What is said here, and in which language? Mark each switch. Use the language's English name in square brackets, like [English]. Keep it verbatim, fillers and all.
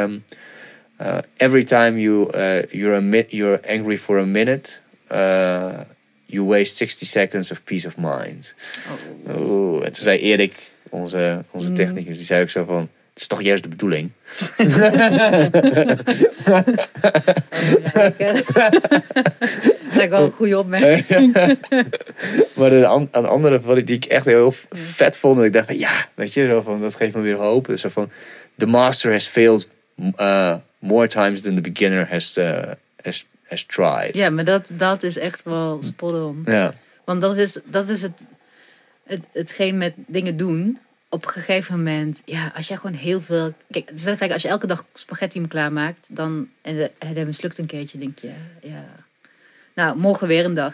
[English] Um, uh, every time you, uh, you're, a mi- you're angry for a minute... Uh, you waste sixty seconds of peace of mind. Oh. [Dutch] Oh, en toen zei Erik, onze, onze technicus, die zei ook zo van... Het is toch juist de bedoeling. Oh, ja, dat is wel een goede opmerking. Maar een, een andere wat ik, die ik echt heel vet vond. Ik dacht van ja, weet je, zo van, dat geeft me weer hoop. Dus zo van, [English] the master has failed uh, more times than the beginner has, uh, has, has tried. [Dutch] Ja, maar dat, dat is echt wel spot on. Ja. Want dat is, dat is het, het, hetgeen met dingen doen... Op een gegeven moment, ja, als jij gewoon heel veel... Kijk, het is gelijk, als je elke dag spaghetti hem klaarmaakt... Dan, en het mislukt een keertje, denk je... ja, nou, morgen weer een dag.